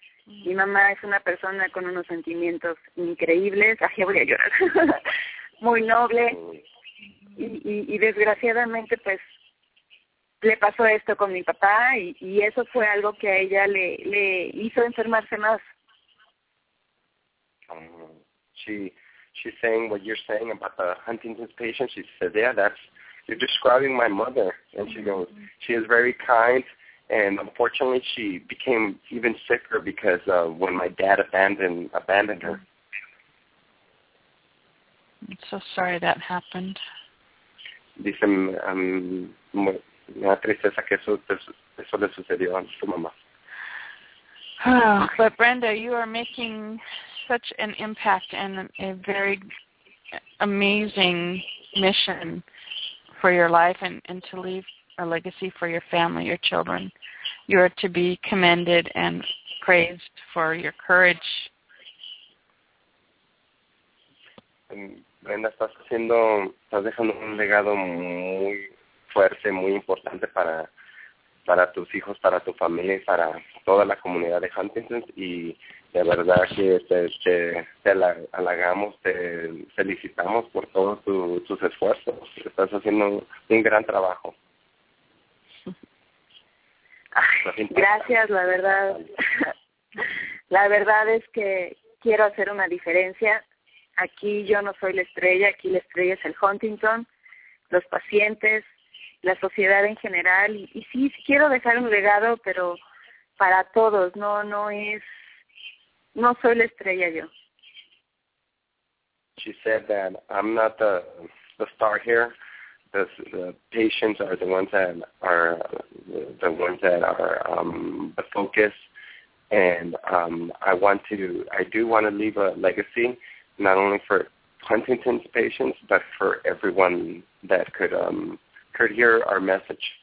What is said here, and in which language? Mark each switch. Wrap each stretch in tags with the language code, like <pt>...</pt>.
<es>Mi mamá es una persona con unos sentimientos increíbles. Ay, voy a llorar. Muy noble, y desgraciadamente pues le pasó esto con mi papá y eso fue algo que a ella le hizo enfermarse más.</es> <en>She She's saying what you're saying about the Huntington's patient. She said, yeah, that's, you're describing my mother. And she goes, she is very kind. And unfortunately, she became even sicker because when my dad abandoned her. I'm so sorry that happened.</en> <es>Dice, me da tristeza que eso le sucedió a su mamá.</es> <en>But Brenda, you are making such an impact and a very amazing mission for your life and to leave a legacy for your family, your children. You are to be commended and praised for your courage.</en> <es>Brenda, estás dejando un legado muy fuerte, muy importante para tus hijos, para tu familia y para toda la comunidad de Huntington's. Y de verdad que te halagamos, te felicitamos por todos tus esfuerzos. Estás haciendo un gran trabajo. Gracias, la verdad es que quiero hacer una diferencia. Aquí yo no soy la estrella, aquí la estrella es el Huntington, los pacientes, la sociedad en general. Y sí, sí quiero dejar un legado, pero para todos, no soy la estrella yo.</es> <en>She said that I'm not the star here. The patients are the ones that are the focus, and I do want to leave a legacy, not only for Huntington's patients, but for everyone that could hear our message.</en>